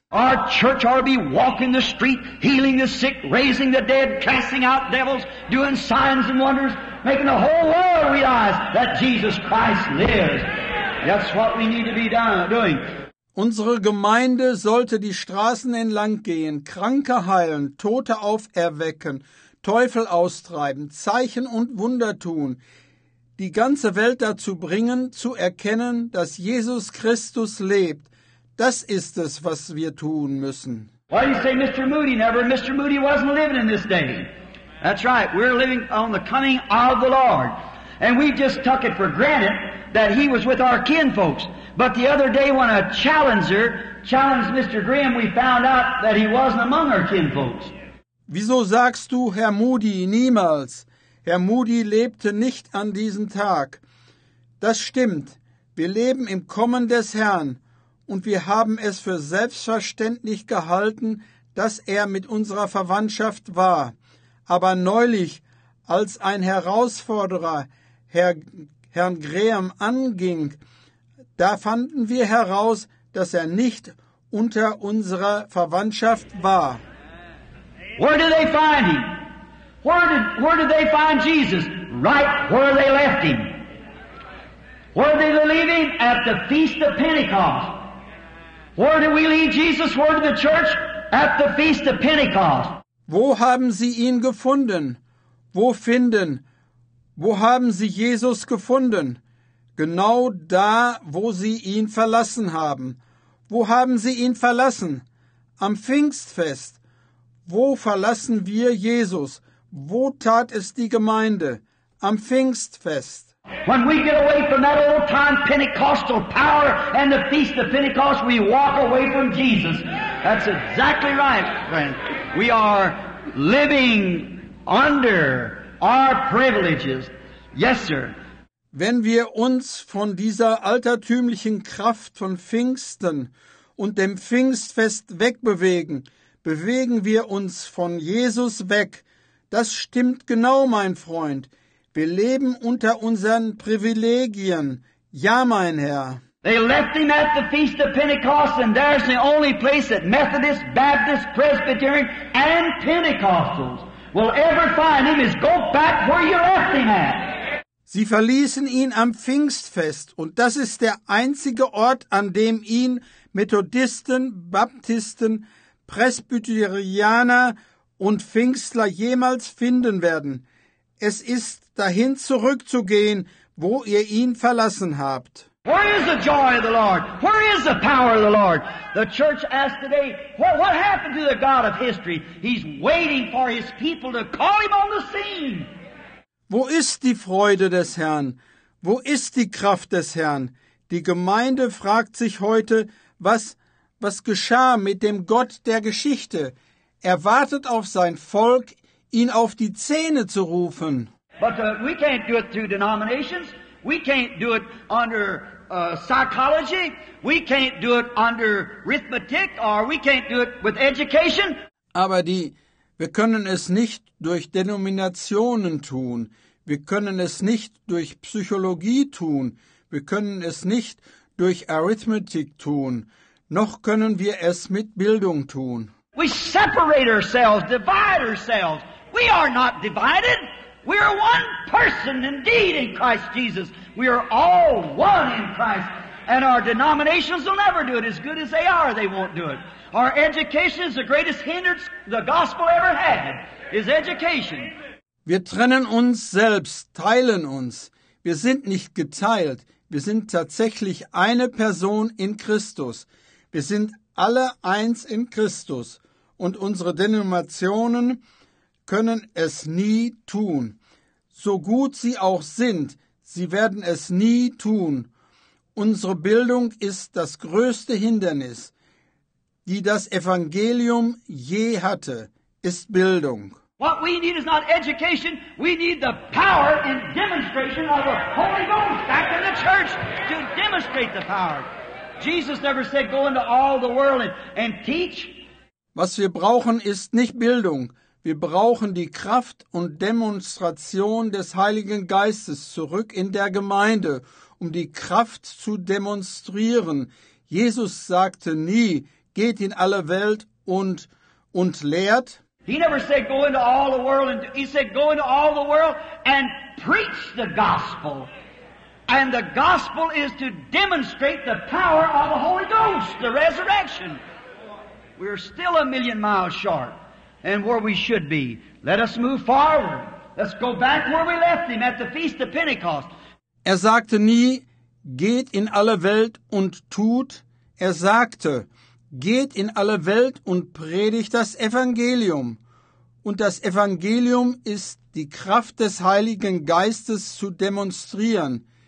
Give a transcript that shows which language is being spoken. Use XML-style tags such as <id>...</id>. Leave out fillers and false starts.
<en>Our church ought to be walking the street, healing the sick, raising the dead, casting out devils, doing signs and wonders, making the whole world realize that Jesus Christ lives. That's what we need to be doing.</en> <de>Unsere Gemeinde sollte die Straßen entlang gehen, Kranke heilen, Tote auferwecken, Teufel austreiben, Zeichen und Wunder tun, die ganze Welt dazu bringen, zu erkennen, dass Jesus Christus lebt. Das ist es, was wir tun müssen.</de> <en>Why do you say Mr. Moody never? Mr. Moody wasn't living in this day. That's right. We're living on the coming of the Lord. And we just took it for granted that he was with our kinfolks. But the other day when a challenger challenged Mr. Graham, we found out that he wasn't among our kinfolks.</en> <de>Wieso sagst du, Herr Moody, niemals? Herr Moody lebte nicht an diesem Tag. Das stimmt. Wir leben im Kommen des Herrn. Und wir haben es für selbstverständlich gehalten, dass er mit unserer Verwandtschaft war. Aber neulich, als ein Herausforderer Herrn Graham anging, da fanden wir heraus, dass er nicht unter unserer Verwandtschaft war.</de> <en>Where did they find him? Where did they find Jesus? Right where they left him. Where did they leave him? At the Feast of Pentecost. Where did we leave Jesus? Where did the church? At the Feast of Pentecost.</en> <de>Wo haben sie ihn gefunden? Wo finden? Wo haben sie Jesus gefunden? Genau da, wo sie ihn verlassen haben. Wo haben sie ihn verlassen? Am Pfingstfest. Wo verlassen wir Jesus? Wo tat es die Gemeinde? Am Pfingstfest.</de> <en>When we get away from that old-time Pentecostal power and the Feast of Pentecost, we walk away from Jesus. That's exactly right, friend. We are living under our privileges. Yes, sir.</en> <de>Wenn wir uns von dieser altertümlichen Kraft von Pfingsten und dem Pfingstfest wegbewegen, bewegen wir uns von Jesus weg. Das stimmt genau, mein Freund. Wir leben unter unseren Privilegien. Ja, mein Herr.</de> <en>They left him at the Feast of Pentecost, and there's the only place that Methodists, Baptists, Presbyterians, and Pentecostals will ever find him is go back where you left him at.</en> <de>Sie verließen ihn am Pfingstfest, und das ist der einzige Ort, an dem ihn Methodisten, Baptisten, Presbyterianer und Pfingstler jemals finden werden. Es ist dahin zurückzugehen, wo ihr ihn verlassen habt.</de> <en>Where is the joy of the Lord? Where is the power of the Lord? The church asks today, what happened to the God of history? He's waiting for his people to call him on the scene.</en> <de>Wo ist die Freude des Herrn? Wo ist die Kraft des Herrn? Die Gemeinde fragt sich heute, was geschah mit dem Gott der Geschichte? Er wartet auf sein Volk, ihn auf die Zähne zu rufen.</de> <en>But we can't do it through denominations. We can't do it under psychology. We can't do it under arithmetic, or we can't do it with education.</en> <de>Aber wir können es nicht durch Denominationen tun. Wir können es nicht durch Psychologie tun. Wir können es nicht durch Arithmetik tun. Noch können wir es mit Bildung tun.</de> <en>We separate ourselves, divide ourselves. We are not divided. We are one person indeed in Christ Jesus. We are all one in Christ. And our denominations will never do it. As good as they are, they won't do it. Our education is the greatest hindrance the gospel ever had, is education.</en> <de>Wir trennen uns selbst, teilen uns. Wir sind nicht geteilt. Wir sind tatsächlich eine Person in Christus. Wir sind alle eins in Christus. Und unsere Denominationen können es nie tun. So gut sie auch sind, sie werden es nie tun. Unsere Bildung ist das größte Hindernis, die das Evangelium je hatte, ist Bildung.</de> <en>What we need is not education, we need the power and demonstration of the Holy Ghost back in the church to demonstrate the power. Jesus never said, go into all the world and teach.</en> <de>Was wir brauchen, ist nicht Bildung. Wir brauchen die Kraft und Demonstration des Heiligen Geistes zurück in der Gemeinde, um die Kraft zu demonstrieren. Jesus sagte nie, geht in alle Welt und lehrt.</de> <en>He never said go into all the world, and he said go into all the world and preach the gospel. And the gospel is to demonstrate the power of the Holy Ghost, the resurrection. We're still a million miles short and where we should be. Let us move forward. Let's go back where we left him at the Feast of Pentecost.</en> <de>Er sagte nie, geht in alle Welt und tut. Er sagte, geht in alle Welt und predigt das Evangelium. Und das Evangelium ist die Kraft des Heiligen Geistes zu demonstrieren.</de>